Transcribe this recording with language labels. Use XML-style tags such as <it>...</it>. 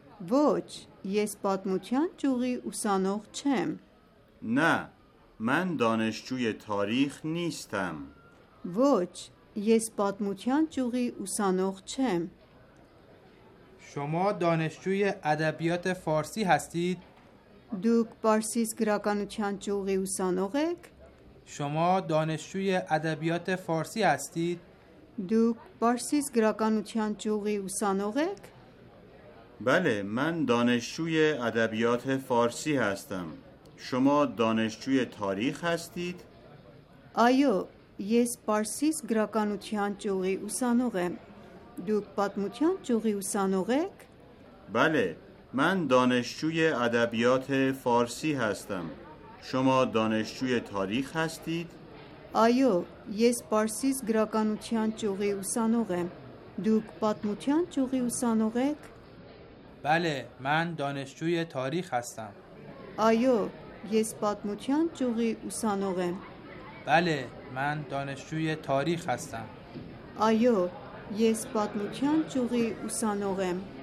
<hy>ոչ, ես պատմության ճյուղի ուսանող չեմ.</hy> <fa>نه, من دانشجوی تاریخ نیستم.</fa> <hy>ոչ, ես պատմության ճյուղի ուսանող չեմ.</hy> <fa>شما دانشجوی ادبیات فارسی هستید؟</fa> <hy>դուք պարսից գրականության ճյուղի ուսանող եք؟</hy> <fa>شما دانشجوی ادبیات فارسی هستید؟</fa> <hy>դուք պարսից գրականության ճյուղի ուսանող եք؟</hy> <fa>بله, من دانشجوی ادبیات فارسی هستم. شما دانشجوی تاریخ هستید؟</fa> <hy>آیو, ես պարսից գրականության ճյուղի ուսանող եմ. դուք պատմության ճյուղի ուսանող եք؟</hy> <fa>بله, من دانشجوی ادبیات فارسی هستم. شما دانشجوی تاریخ هستید؟</fa> <hy>آیو, ես պարսից գրականության ճյուղի ուսանող եմ. դուք պատմության ճյուղի ուսանող եք؟</hy> <fa>بله, من دانشجوی تاریخ هستم.</fa> <hy>آیو, ես պատմության ճյուղի ուսանող եմ.</hy> <fa>بله, من دانشجوی تاریخ هستم.</fa> <hy>آیو, ես պատմության ճյուղի ուսանող եմ.</hy>